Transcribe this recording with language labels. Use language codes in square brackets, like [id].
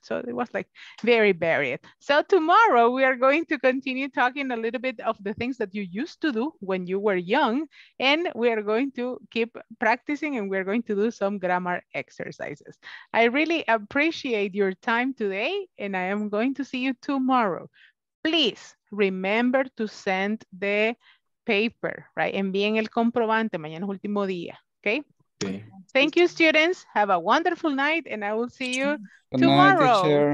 [en] So it was like very varied. So tomorrow we are going to continue talking a little bit of the things that you used to do when you were young. And we are going to keep practicing and we're going to do some grammar exercises. I really appreciate your time today and I am going to see you tomorrow. Please remember to send the paper, right? [es] Envíen el comprobante, mañana es último día, okay? [en] Okay. Thank you, students. Have a wonderful night, and I will see you tomorrow.